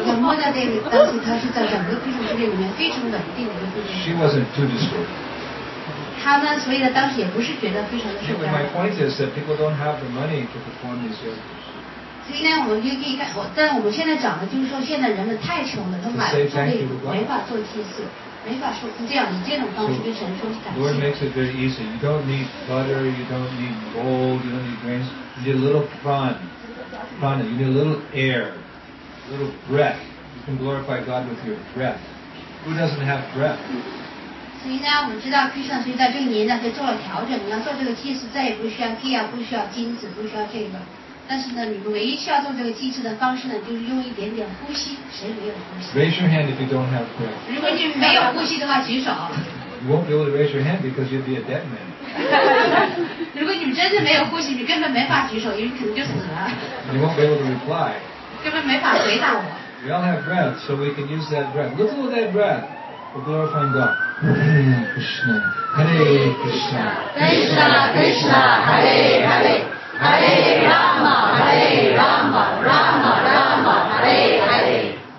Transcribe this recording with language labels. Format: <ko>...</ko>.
<zh>那莫扎德当时他是在整个贵族世界里面非常稳定的一个奉献者。</zh> <en>She wasn't too disturbed.</en> <zh>他呢所以呢当时也不是觉得非常的受伤。</zh> <en>My point is that people don't have the money to perform these services.</en> <zh>所以呢我们就可以看，但我们现在讲的就是说，现在人们太穷了，都买不了，没法做祭祀，没法说这样以这种方式跟神说感谢。</zh> <en>Lord makes it very easy. You don't need butter, you don't need gold, you don't need grains. You need a little prana. You need a little air, a little breath. You can glorify God with your breath. Who doesn't have breath?</en> <zh>所以呢，我们知道 Krishna 所以在这一年呢，就做了调整。你要做这个祭祀，再也不需要 ghee， 不需要金子，不需要这个。但是呢，你们唯一需要做这个祭祀的方式呢，就是用一点点呼吸。谁没有呼吸</zh> <en>？Raise your hand if you don't have breath。</en> <zh>如果你没有呼吸的话，举手。</zh> <en>You won't be able to raise your hand because you'd be a dead man.</en> <zh>如果你们真的没有呼吸，你根本没法举手，因为可能就死了。</zh> <en>You won't be able to reply.</en> <zh>根本没法回答我。</zh> <en>We all have breath, so we can use that breath. Look at that breath. We're glorifying God.</en> <sa>Hare Krishna, Hare Krishna, Krishna Krishna, Hare Hare, Hare Rama, Hare Rama, Rama Rama, Hare Hare.</sa>